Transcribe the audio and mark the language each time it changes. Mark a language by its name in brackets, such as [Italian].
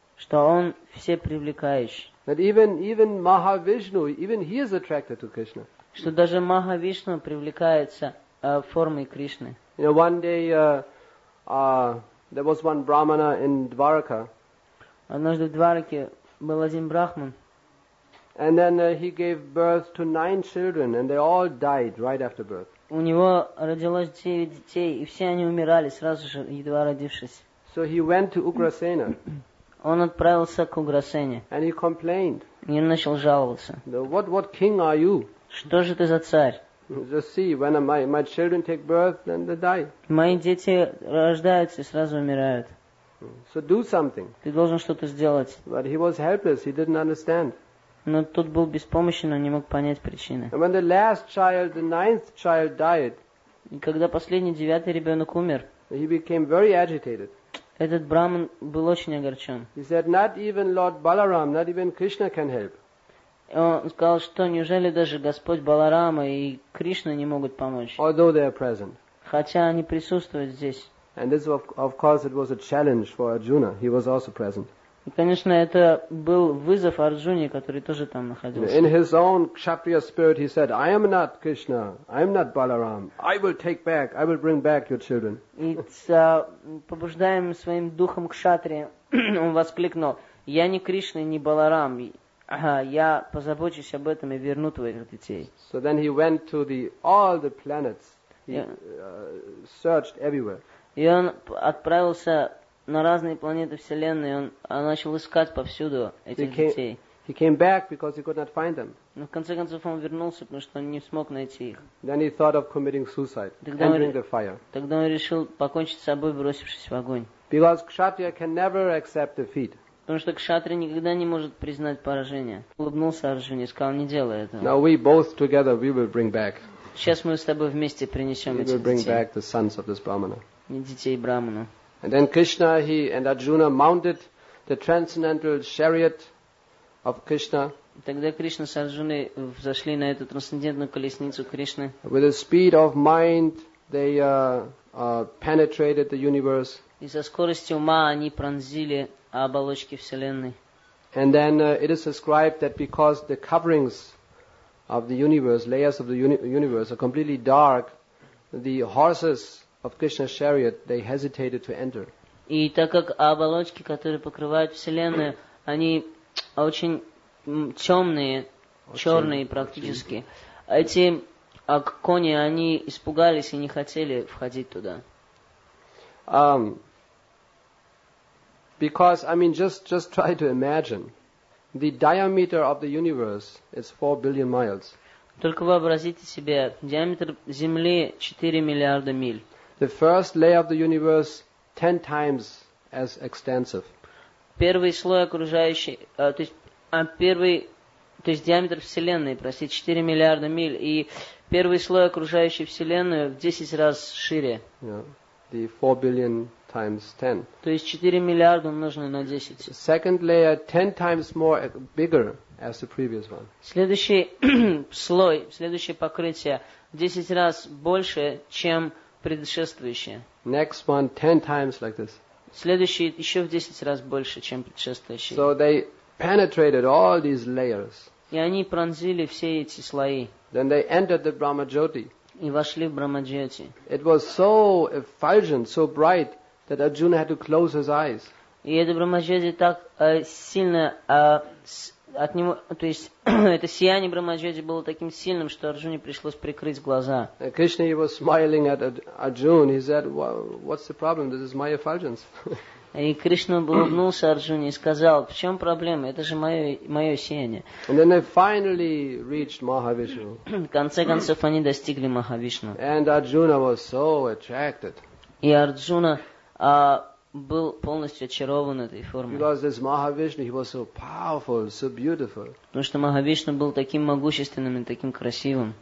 [Russian] Что он всепривлекающий. [English] That even Mahavishnu, even he is attracted to Krishna. [Russian] Что даже Махавишну привлекается формой Кришны. [English] You know, one day there was one brahmana in Dvaraka. [Russian] Однажды в Двараке был один брахман. [English] And then he gave birth to 9 children, and they all died right after birth. [Russian] У него родилось 9 детей, и все они умирали сразу же, едва родившись. [English] So he went to Ugrasena. [Russian] Он отправился к Уграсене. [English] And he complained. [Russian] И он начал жаловаться. [English] What king are you? [Russian] Что же ты за царь? [English] Just see, when my children take birth, then they die. [Russian] Мои дети рождаются и сразу умирают. [English] So do something. [Russian] Ты должен что-то сделать. [English] But he was helpless, he didn't understand. [Russian] Но тот был беспомощен, он не мог понять причины. [English] And when the last child, the 9th child died, [Russian] и когда последний, 9-й ребенок умер, [English] he became very agitated. [Russian] Этот брахман был очень огорчен. [English] He said, not even Lord Balaram, not even Krishna can help. [Russian] Он сказал, что неужели даже Господь Баларама и Кришна не могут помочь? [English] Although they are present. [Russian] Хотя они присутствуют здесь. [English] And this of course it was a challenge for Arjuna. He was also present. [Russian] И, конечно, это был вызов Арджуне, который тоже там находился. [English] In his own kshatriya spirit he said, I am not Krishna, I am not Balaram. I will bring back your children. [Russian] И побуждаемым своим духом кшатрия он воскликнул: я не Кришна, не Баларам. Ага, я позабочусь об этом и верну твоих детей. [English] So then he went to all the planets. He searched everywhere. [Russian] И он отправился на разные планеты Вселенной, он начал искать повсюду этих детей. [English] He came back because he could not find them. [Russian] Но в конце концов он вернулся, потому что он не смог найти их. [English] Then he thought of committing suicide, entering the fire. [Russian] Тогда он решил покончить с собой, бросившись в огонь. [English] Because Kshatriya can never accept defeat. [Russian] Потому что кшатрия никогда не может признать поражение. Улыбнулся Арджуне и сказал: не делай этого. [English] Now we both together we will bring back. [Russian] Сейчас мы с тобой вместе принесем этих детей. [English] We will bring back the sons of this brahmana. [Russian] Не детей брахмана. [English] And then Krishna, he and Arjuna mounted the transcendental chariot of Krishna. [Russian] Тогда Кришна с Арджуной взошли на эту трансцендентную колесницу Кришны. [English] With a speed of mind they penetrated the universe. [Russian] И со скоростью ума они пронзили оболочки Вселенной. [English] And then it is described that because the coverings of the universe, layers of the universe are completely dark, the horses of Krishna's chariot, they hesitated to enter. [Russian] И так как оболочки, которые покрывают Вселенную, они очень темные, черные практически, эти кони, они испугались и не хотели входить туда. [English] Because, I mean, just try to imagine. The diameter of the universe is 4 billion miles. [Russian] Только вообразите себе, диаметр Земли 4 миллиарда миль. [English] The first layer of the universe 10 times as extensive. [Russian] Первый слой окружающий, то есть диаметр Вселенной, простите, 4 миллиарда миль, и первый слой окружающий Вселенную в 10 раз шире. [English] The 4 billion times 10. [Russian] То есть 4 миллиарда умноженное на 10. [English] The second layer 10 times more bigger as the previous one. [Russian] Следующий слой, следующее покрытие 10 раз больше, чем предшествующее. [English] Next one 10 times like this. [Russian] Следующий еще в 10 раз больше, чем предшествующий. [English] So they penetrated all these layers. [Russian] И они пронзили все эти слои. [English] Then they entered the Brahma Jyoti. [Russian] И вошли в Брахмаджоти. [English] It was so effulgent, so bright that Arjuna had to close his eyes. [Russian] И это Брахмаджоти так сильно от него, то есть это сияние Брахмаджоти было таким сильным, что Арджуне пришлось прикрыть глаза. [English] Krishna, he was smiling at Arjuna. He said, "What's the problem? This is my effulgence." [Russian] И Кришна улыбнулся Арджуне и сказал, в чем проблема, это же мое сияние. [English] And then they finally reached Mahavishnu. [Russian] В конце концов они достигли Махавишну. [English] And Arjuna was so attracted. [Russian] И Арджуна был полностью очарован этой формой. [English] Because this Mahavishnu, he was so powerful, so beautiful. [Russian] Потому что Махавишну был таким могущественным и таким красивым.